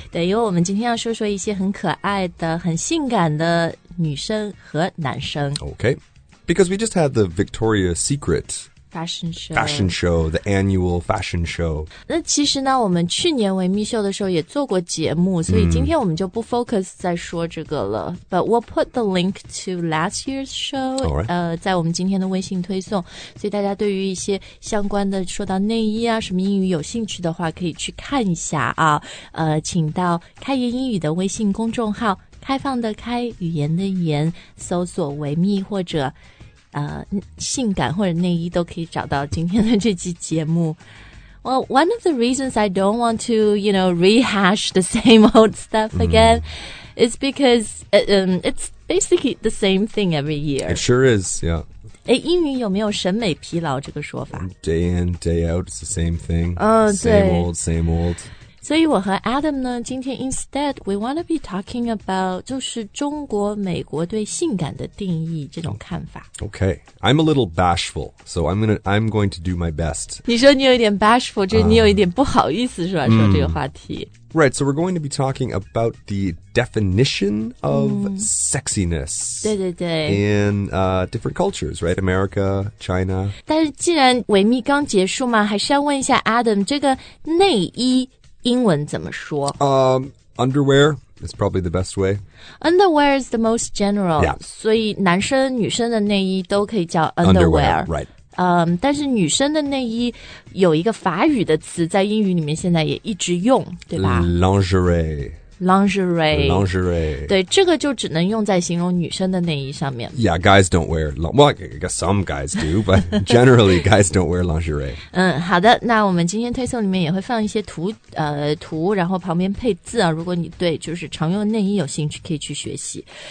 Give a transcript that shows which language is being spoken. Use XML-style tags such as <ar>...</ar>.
<zh>对，因为我们今天要说说一些很可爱的、很性感的女生和男生。</zh> <en>Okay， because we just had the Victoria's Secret fashion show, the annual fashion show。</en> <zh>那其实呢，我们去年维密秀的时候也做过节目，所以今天我们就不 focus 在说这个了。</zh> <en>But we'll put the link to last year's show，</en> <zh>在我们今天的微信推送。所以大家对于一些相关的说到内衣啊什么英语有兴趣的话，可以去看一下啊。请到开言英语的微信公众号，开放的开，语言的言，搜索维密或者。性感或者内衣都可以找到今天的这期节目。</zh> <en>Well, one of the reasons I don't want to, you know, rehash the same old stuff again is because it's basically the same thing every year. It sure is, yeah.</en> <zh>诶，英语有没有审美疲劳这个说法？</zh> <en>Day in, day out, it's the same thing. Same old.</en> <zh>所以我和 Adam 呢，今天</zh> <en>instead, we want to be talking about</en> <zh>就是中国、美国对性感的定义这种看法。</zh> <en>Okay, I'm a little bashful, so I'm going to do my best.</en> <zh>你说你有一点 bashful, 就是你有一点不好意思是吧、说这个话题。</zh> <en>Right, so we're going to be talking about the definition of sexiness.</en> <zh>对对对。</zh> <en>In different cultures, right? America, China.</en> <zh>但是既然维密刚结束嘛，还是要问一下 Adam, 这个内衣英文怎么说？</zh> <en>Underwear is probably the best way. Underwear is the most general. Yeah.</en> <zh>所以男生女生的内衣都可以叫</zh> <en>underwear. Right.</en> <zh>但是女生的内衣有一个法语的词在英语里面现在也一直用，对吧</zh> <en>？Lingerie.</en> <zh>对，这个就只能用在形容女生的内衣上面。</zh> <en>Yeah, guys don't wear. Well, I guess some guys do, but generally, guys don't wear lingerie.</en> <zh>好的，那我们今天推送里面也会放一些图，图，然后旁边配字啊。如果你对就是常用内衣有兴趣，可以去学习。</zh>